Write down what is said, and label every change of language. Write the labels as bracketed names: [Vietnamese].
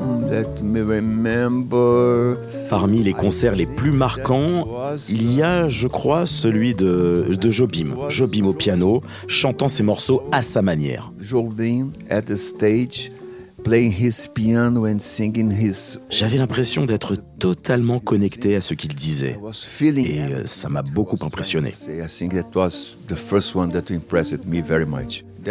[English] Let me remember. [French] Parmi les concerts les plus marquants, il y a, je crois, celui de Jobim. Jobim au piano, chantant ses morceaux à sa manière. [English] Jobim at the stage, playing his piano and singing his. [French] J'avais l'impression d'être totalement connecté à ce qu'il disait, et ça m'a beaucoup impressionné. [English] I think that was the first one that impressed me very much.